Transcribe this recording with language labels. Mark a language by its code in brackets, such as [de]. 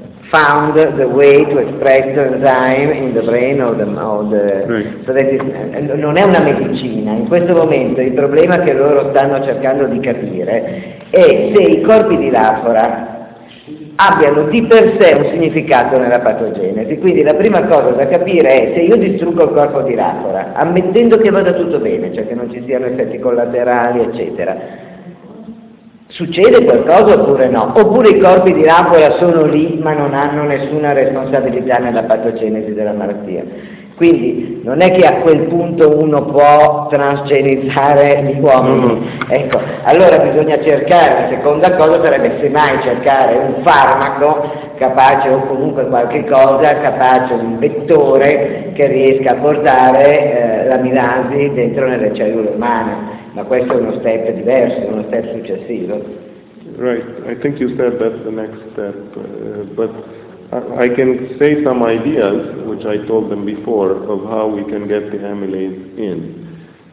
[en] found the way to express the enzyme in the brain of the right. So that is, [it] non è una medicina. In questo momento il problema che loro stanno cercando di capire è se i corpi di Lafora abbiano di per sé un significato nella patogenesi. Quindi la prima cosa da capire è se io distruggo il corpo di Lafora, ammettendo che vada tutto bene, cioè che non ci siano effetti collaterali, eccetera, succede qualcosa oppure no? Oppure i corpi di Lafora sono lì ma non hanno nessuna responsabilità nella patogenesi della malattia. Quindi non è che a quel punto uno può transgenizzare gli uomini. No. Ecco, allora bisogna cercare, la seconda cosa sarebbe semmai cercare un farmaco capace o comunque qualche cosa, capace un vettore che riesca a portare l'amilasi dentro nelle cellule umane. Ma questo è uno step diverso, uno step successivo. [en] Right, I think you said that's the next step, but I can say some ideas, which I told them before, of how we can get the amylase in.